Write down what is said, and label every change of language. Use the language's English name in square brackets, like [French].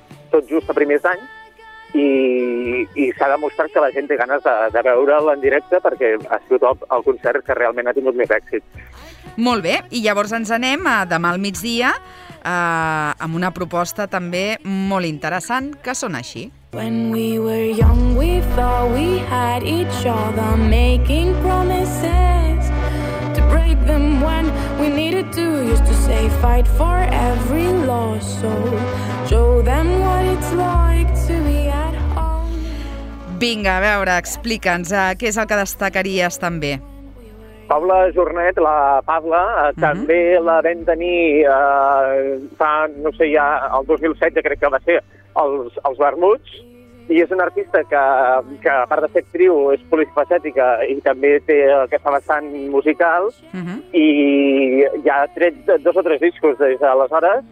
[Catalan] tot just a primers d'any i s'ha demostrat que la gent té ganes de veure'l en directe perquè ha sigut el concert que realment ha tingut més èxit. Molt bé, i llavors ens anem a demà al migdia amb una proposta també molt interessant, que sona així. [English] When we were young we thought we had each other making promises to break them when we needed to used to say fight for every loss so show them what it's like to be at home. [Catalan] Vinga, a veure, explica'ns què és el que destacaries també. Paula Jornet, la Paula, també la vam tenir fa, no sé, ja el 2016 crec que va ser els Vermuts, i és una artista que a part de ser actriu és polifacètica i també té aquesta vessant musical i ja ha tret dos o tres discos des d'aleshores.